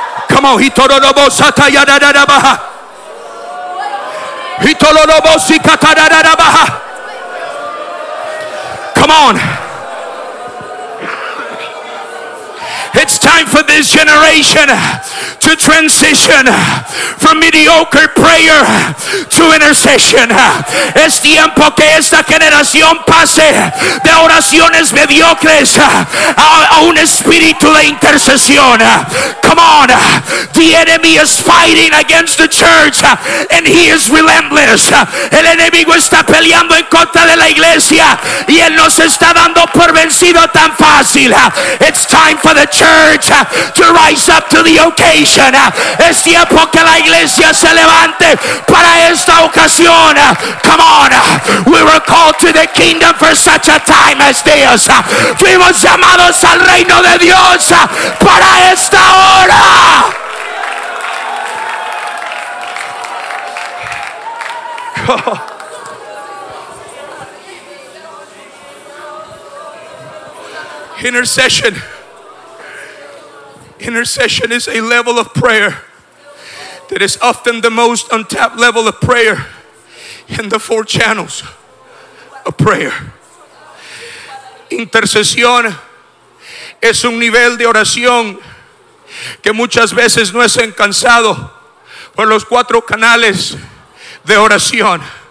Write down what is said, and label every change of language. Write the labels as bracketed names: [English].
[English] Come on, hitoro robo sata ya da da da ba ha. Hitoro robo si kata da da da ba ha. Come on. It's time for this generation to transition from mediocre prayer to intercession. [Spanish] Es tiempo que esta generación pase de oraciones mediocres a un espíritu de intercesión. [English] Come on. The enemy is fighting against the church and he is relentless. [Spanish] El enemigo está peleando en contra de la iglesia y él nos está dando por vencido tan fácil. [English] It's time for the church to rise up to the occasion. [Spanish] Es tiempo que la iglesia se levante para esta ocasión. [English] Come on. We were called to the kingdom for such a time as this. [Spanish] Fuimos llamados al reino de Dios para esta hora. [English] Intercession. Intercession is a level of prayer that is often the most untapped level of prayer in the four channels of prayer. [Spanish] Intercesión es un nivel de oración que muchas veces no es alcanzado por los cuatro canales de oración.